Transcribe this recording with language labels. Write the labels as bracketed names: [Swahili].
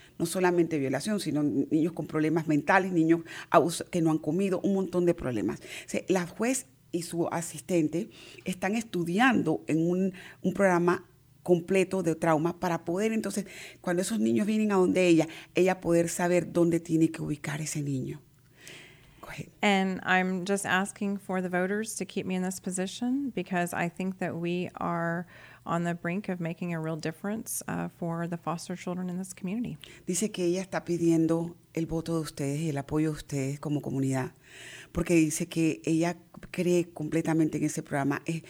[Spanish] No solamente violación, sino niños con problemas mentales, niños que no han comido, un montón de problemas. O sea, la juez y su asistente están estudiando en un programa completo de trauma para poder entonces, cuando esos niños vienen a donde ella poder saber dónde tiene que ubicar ese niño. [English] Go ahead. And I'm just asking for the voters to keep me in this position because I think that we are on the brink of making a real difference for the foster children in this community. [Spanish] Dice que ella está pidiendo el voto de ustedes y el apoyo de ustedes como comunidad porque dice que ella cree completamente en ese programa.